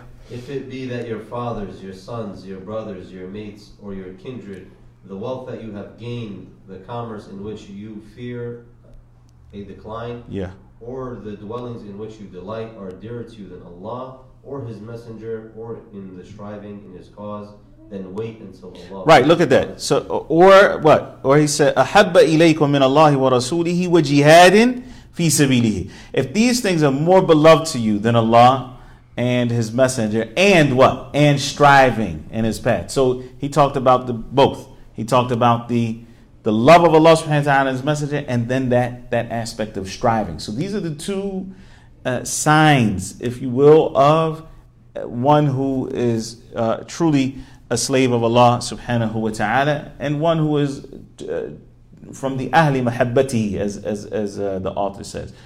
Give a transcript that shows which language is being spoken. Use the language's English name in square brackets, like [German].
[English] If it be that your fathers, your sons, your brothers, your mates, or your kindred, the wealth that you have gained, the commerce in which you fear a decline, yeah, or the dwellings in which you delight are dearer to you than Allah, or His Messenger, or in the striving in His cause, then wait until Allah. Right, look at that. So, or what? Or he said, [Arabic] أَحَبَّ إِلَيْكُمْ مِنَ اللَّهِ وَرَسُولِهِ وَجِهَادٍ فِي سَبِيلِهِ. [English] If these things are more beloved to you than Allah and His Messenger, and what? And striving in His path. So he talked about the both. He talked about the the love of Allah subhanahu wa ta'ala and His Messenger, and then that aspect of striving. So these are the two signs, if you will, of one who is truly a slave of Allah subhanahu wa ta'ala, and one who is from the Ahli Mahabbati, as the author says.